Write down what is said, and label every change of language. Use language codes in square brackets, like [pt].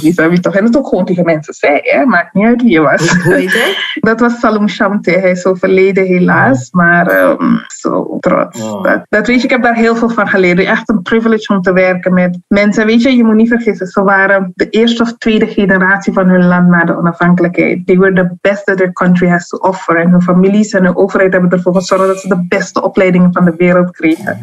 [nl] Die zei toch? En dat ook gewoon tegen mensen zei, hè? Maakt niet uit wie je was. Dat was Salom Shamte. Hij is overleden helaas, maar zo trots. Wow. Dat weet je, ik heb daar heel veel van geleerd. Echt een privilege om te werken met mensen. Weet je, je moet niet vergissen, ze waren de eerste of tweede generatie van hun land na de onafhankelijkheid. [en] They were the best that their country has to offer. [nl] En hun families en hun overheid hebben ervoor gezorgd dat ze de beste opleidingen van de wereld kregen.